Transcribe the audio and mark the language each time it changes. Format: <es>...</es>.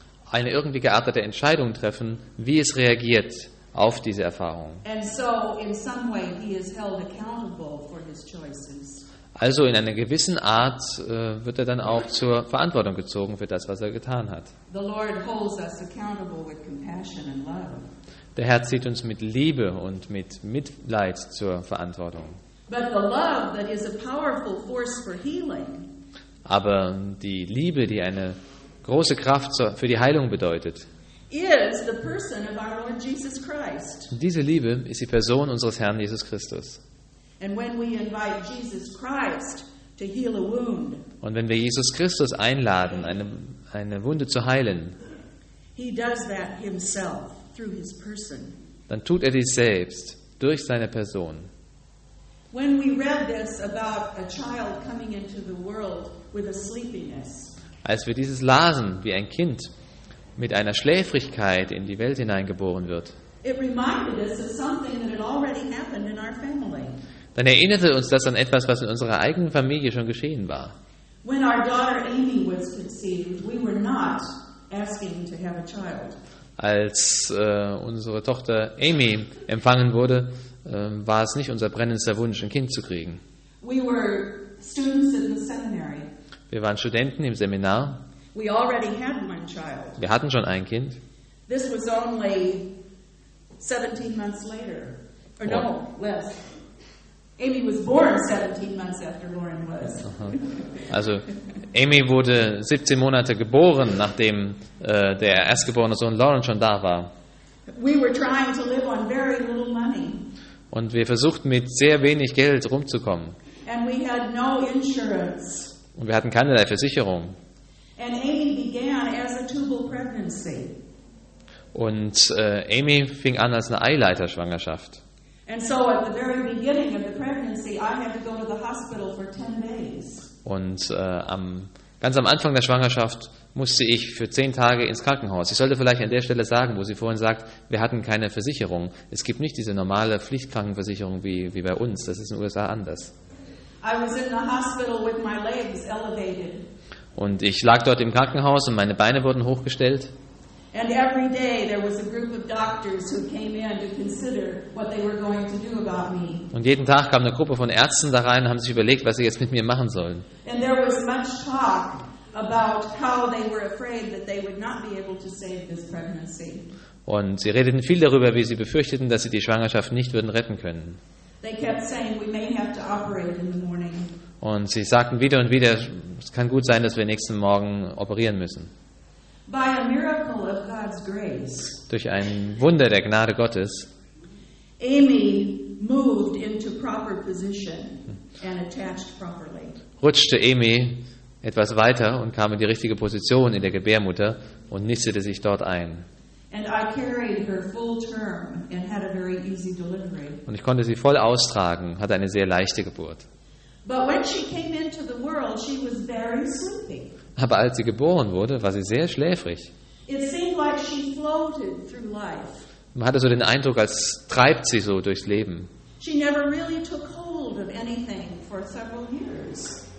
<de>Eine irgendwie geartete Entscheidung treffen, wie es reagiert auf diese Erfahrung. Also in einer gewissen Art wird er dann auch zur Verantwortung gezogen für das, was er getan hat.</de> <en>The Lord holds us accountable with compassion and love.</en> <de>Der Herr zieht uns mit Liebe und mit Mitleid zur Verantwortung.</de> <en>But the love that is a powerful force for healing.</en> <de>Aber die Liebe, die eine große Kraft für die Heilung bedeutet,</de> <en>is the person of our Lord Jesus Christ.</en> <de>Diese Liebe ist die Person unseres Herrn Jesus Christus.</de> <en>And when we invite Jesus Christ to heal a wound,</en> <de>und wenn wir Jesus Christus einladen, eine Wunde zu heilen,</de> <en>he does that himself through his person.</en> <de>Dann tut er dies selbst durch seine Person.</de> <en>When we read this about a child coming into the world with a sleepiness,</en> <de>als wir dieses lasen, wie ein Kind mit einer Schläfrigkeit in die Welt hineingeboren wird,</de> <en>it reminded us of something that had already happened in our family.</en> <de>Dann erinnerte uns das an etwas, was in unserer eigenen Familie schon geschehen war.</de> <en>When our daughter Amy was conceived, we were not asking to have a child.</en> <de>Als unsere Tochter Amy empfangen wurde, war es nicht unser brennendster Wunsch, ein Kind zu kriegen.</de> <en>We were students in the seminary.</en> <de>Wir waren Studenten im Seminar.</de> <en>We already had one child.</en> <de>Wir hatten schon ein Kind.</de> <en>This was only 17 months later. Or no, less. Amy was born 17 months after Lauren was.</en> <de>Also Amy wurde 17 Monate geboren, nachdem der erstgeborene Sohn Lauren schon da war.</de> <en>We were trying to live on very little money.</en> <de>Und wir versuchten mit sehr wenig Geld rumzukommen.</de> <en>And we had no insurance.</en> <de>Und wir hatten keinerlei Versicherung.</de> <en>And Amy began as a tubal pregnancy.</en> <de>Und Amy fing an als eine Eileiterschwangerschaft.</de> <en>And so at the very beginning of the pregnancy I had to go to the hospital for 10 days.</en> <de>Und ganz am Anfang der Schwangerschaft musste ich für 10 Tage ins Krankenhaus. Ich sollte vielleicht an der Stelle sagen, wo sie vorhin sagt, wir hatten keine Versicherung. Es gibt nicht diese normale Pflichtkrankenversicherung wie bei uns. Das ist in den USA anders.</de> <en>I was in the hospital with my legs elevated.</en> <de>Und ich lag dort im Krankenhaus und meine Beine wurden hochgestellt.</de> <en>And every day there was a group of doctors who came in to consider what they were going to do about me.</en> <de>Und jeden Tag kam eine Gruppe von Ärzten da rein und haben sich überlegt, was sie jetzt mit mir machen sollen.</de> <en>And there was much talk about how they were afraid that they would not be able to save this pregnancy.</en> <de>Und sie redeten viel darüber, wie sie befürchteten, dass sie die Schwangerschaft nicht würden retten können.</de> <en>They kept saying we may have to operate in the morning.</en> <de>Und sie sagten wieder und wieder, es kann gut sein, dass wir nächsten Morgen operieren müssen.</de> <en>By a miracle of God's grace.</en> <de>Durch ein Wunder der Gnade Gottes.</de> <en>Amy moved into proper position and attached properly.</en> <de>Rutschte Amy etwas weiter und kam in die richtige Position in der Gebärmutter und nistete sich dort ein.</de> <en>And I carried her full term and had a very easy delivery.</en> <de>Und ich konnte sie voll austragen, hatte eine sehr leichte Geburt.</de> <en>But when she came into the world, she was very sleepy.</en> <de>Aber als sie geboren wurde, war sie sehr schläfrig.</de> <en>It seemed like she floated through life.</en> <de>Man hatte so den Eindruck, als treibt sie so durchs Leben.</de> <en>She never really took hold of anything for several years.</en>